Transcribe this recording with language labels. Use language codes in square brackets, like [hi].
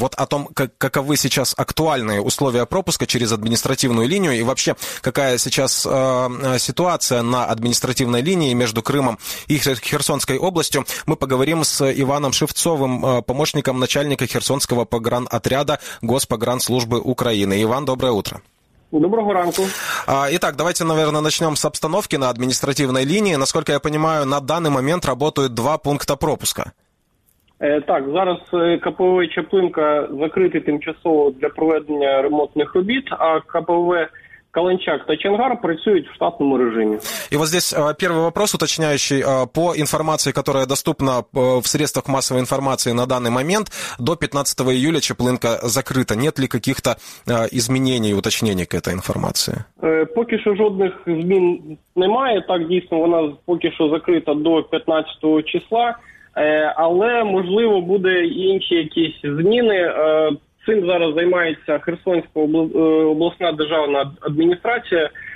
[ru] Вот о том, каковы сейчас актуальные условия пропуска через административную линию и вообще какая сейчас ситуация на административной линии между Крымом и Херсонской областью, мы поговорим с Иваном Шевцовым, помощником начальника Херсонского погранотряда Госпогранслужбы Украины. Иван, доброе утро. [uk] Доброго ранку. [ru] Итак, давайте, наверное, начнем с обстановки на административной линии. Насколько я понимаю, на данный момент работают два пункта пропуска. [uk] Так, зараз КПВ Чаплинка закрыты тимчасово для проведения ремонтных робіт, а КПВ Каланчак та Чангар працюють в штатному режимі. [ru] І ось здесь перший вопрос уточняющий. [uk] По інформації, яка доступна в средствах масової інформації на даний момент, до 15 июля Чаплинка закрита. [ru] Нет ли каких-то изменений, уточнений к этой информации? [uk] Поки що жодних змін немає. Так, дійсно, вона поки що закрита до 15 числа. Але, можливо, буде інші якісь зміни. Цим зараз займається Херсонська обласна державна адміністрація.